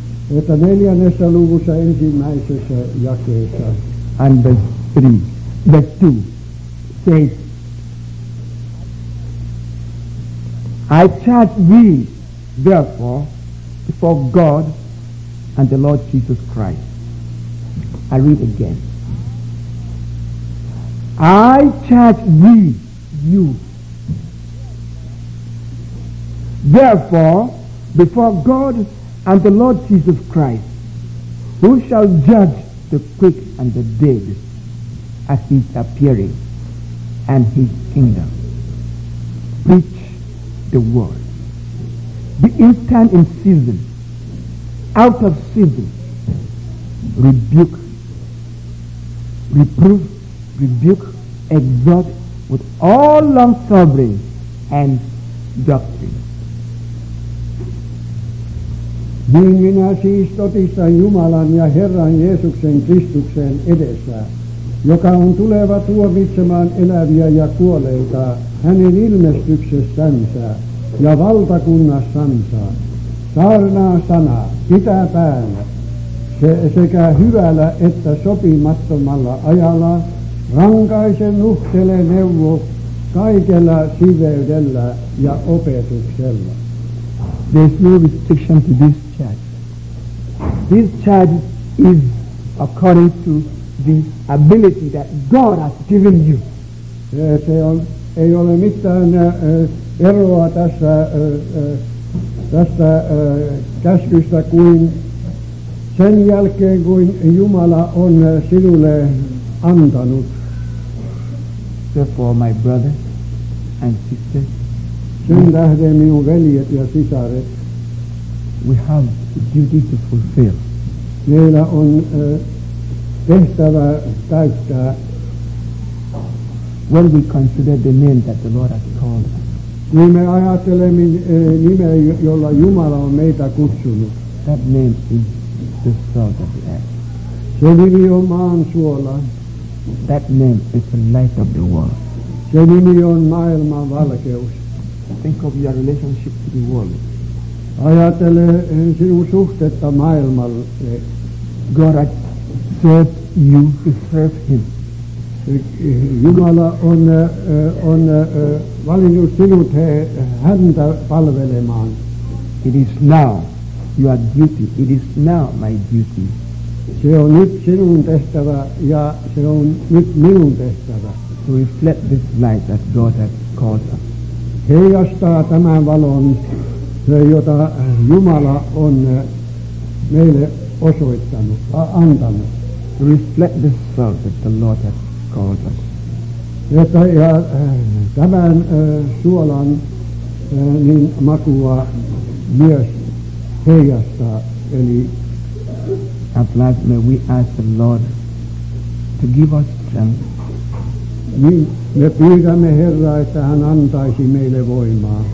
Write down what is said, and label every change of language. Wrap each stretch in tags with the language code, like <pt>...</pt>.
<fi>Että neljännessä luvussa ensimmäisessä jakeessa.</fi> <en>And verse 3. Verse 2 says, I charge thee, therefore, before God and the Lord Jesus Christ. I read again. I charge thee, you. Therefore, before God and the Lord Jesus Christ, who shall judge the quick and the dead at his appearing and his kingdom, preach the word. Be instant in season, out of season, rebuke, reprove, rebuke, exhort, with all long suffering and doctrine.</en> <fi>Niin minä siis totistan Jumalan ja Herran Jeesuksen Kristuksen edessä, joka on tuleva tuomitsemaan eläviä ja kuolleita hänen ilmestyksessänsä ja valtakunnassansa. Saarnaa sanaa, pitää päällä, sekä hyvällä että sopimattomalla ajalla, rankaise, nuhtele, neuvo kaikella siveydellä ja opetuksella.</fi> <en>There is no restriction to this charge. This charge is according to the ability that God has given you.</en> <fi>se on, ei ole mitään eroa tässä tästä käskystä kuin sen jälkeen kuin Jumala on sinulle antanut.</fi> <en>Therefore, my brothers and sisters,</en> <fi>sen tähden minun veljet ja sisaret,</fi> <en>we have a duty to fulfill.</en> <fi>Meillä on tehtävä täyttää.</fi> <en>When we consider the name that the Lord has called us,</en> <fi>niin me ajattelemme nimeä, jolla Jumala on meitä kutsunut.</fi> <en>That name is the salt of the earth.</en> <fi>Se nimi on maan suola.</fi> <en>That name is the light of the world.</en> <fi>Se nimi on maailman valkeus.</fi> <en>Think of your relationship to the world.</en> <fi>Ajattele sinun suhtetta maailmalle.</fi> <en>God has served you to serve him.</en> <fi>Jumala on, on valinnut sinut häntä palvelemaan.</fi> <en>It is now your duty. It is now my duty.</en> <fi>Se on nyt sinun tehtävä ja se on nyt minun tehtävä.</fi> <en>To reflect this light that God has called us.</en> <fi>Heijastaa tämän valon, jota Jumala on meille osoittanut, antanut.</fi> <en>To reflect this salt that the Lord has called us.</en> <fi>Että ja tämän suolan niin makua myös heijastaa, eli</fi> <en>at last may we ask the Lord to give us strength.</en> <fi>Niin me pyydämme Herraa, että hän antaisi meille voimaa.</fi>